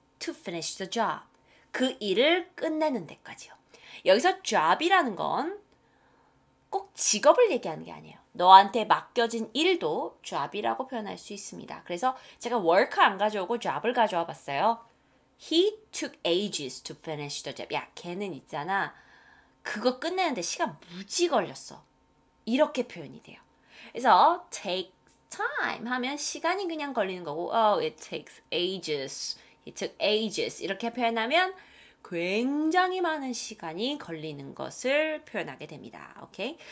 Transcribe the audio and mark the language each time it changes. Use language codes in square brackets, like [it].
[en] to finish the job, [ko] 그 일을 끝내는 데까지요. 여기서 job이라는 건꼭 직업을 얘기하는 게 아니에요. 너한테 맡겨진 일도 job이라고 표현할 수 있습니다. 그래서 제가 work 안 가져오고 job을 가져와 봤어요. [en] He took ages to finish the job. [ko] 야, 걔는 있잖아. 그거 끝내는데 시간 무지 걸렸어. 이렇게 표현이 돼요. 그래서 [en] take time [ko] 하면 시간이 그냥 걸리는 거고, [en] oh, it takes ages. He took ages. [ko] 이렇게 표현하면 굉장히 많은 시간이 걸리는 것을 표현하게 됩니다. 오케이?